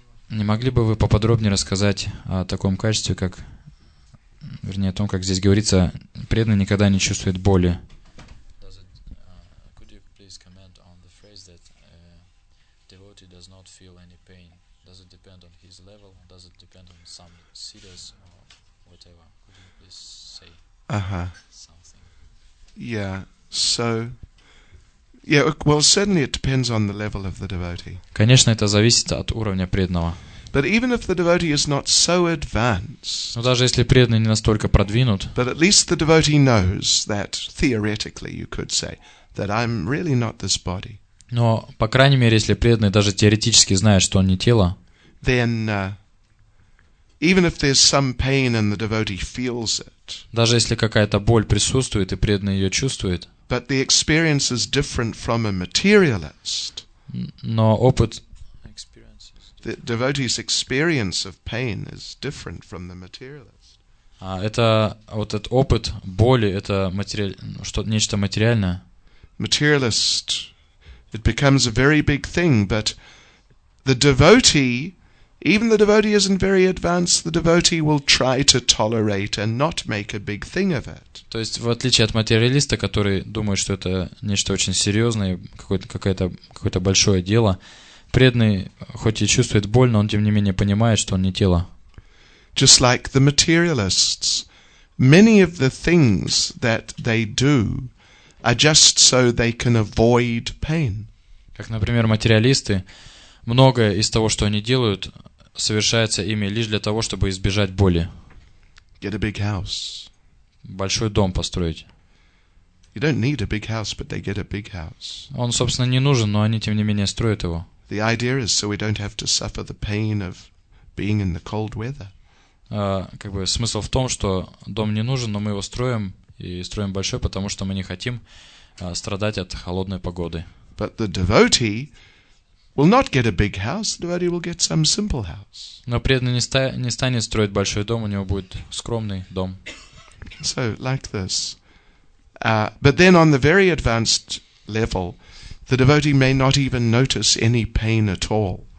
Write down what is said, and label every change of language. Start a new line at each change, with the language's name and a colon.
Russian: Не могли бы вы поподробнее рассказать о таком качестве, как, вернее, о том, как здесь говорится, преданный никогда не чувствует боли.
English: Could you please comment on the phrase that devotee does not feel any pain? Does it depend on his level? Does it depend on some siddhas or whatever? Could you please say something? Yeah. So. Yeah. Well, certainly it depends on the level of the devotee.
Russian: Конечно, это зависит от уровня преданного.
English: But even if the devotee is not so advanced,
Russian: но даже если преданный не настолько продвинут,
English: but at least the devotee knows that theoretically you could say that I'm really not this body.
Russian: Но по крайней мере, если преданный даже теоретически знает, что он не тело,
English: then even if there's some pain and the devotee feels it,
Russian: даже если какая-то боль присутствует и преданный ее чувствует,
English: but the experience is different from a materialist.
Russian: Но опыт
English: The devotee's experience of pain is different from the materialist.
Russian: А это вот этот опыт боли это нечто материальное.
English: Materialist, it becomes a very big thing, but the devotee, even the devotee isn't very advanced, the devotee will try to tolerate and not make a big thing of it.
Russian: То есть, в отличие от материалиста, который думает, что это нечто очень серьезное, какое-то большое дело, преданный, хоть и чувствует боль, но он, тем не менее, понимает, что он не тело.
English: Just like the materialists, many of the things that they do are just so they can avoid pain.
Russian: Как, например, материалисты, многое из того, что они делают, совершается ими лишь для того, чтобы избежать боли.
English: Get a big house.
Russian: Большой дом построить.
English: You don't need a big house, but they get a big house.
Russian: Он, собственно, не нужен, но они, тем не менее, строят его.
English: The idea is so we don't have to suffer the pain of being in the cold weather.
Russian: Как бы смысл в том, что дом не нужен, но мы его строим, и строим большой, потому что мы не хотим страдать от холодной погоды.
English: But the devotee will not get a big house, the devotee will get some simple house.
Russian: Но преданный не станет строить большой дом, у него будет скромный дом.
English: So, like this. But then on the very advanced level, the devotee may not even notice any pain at all.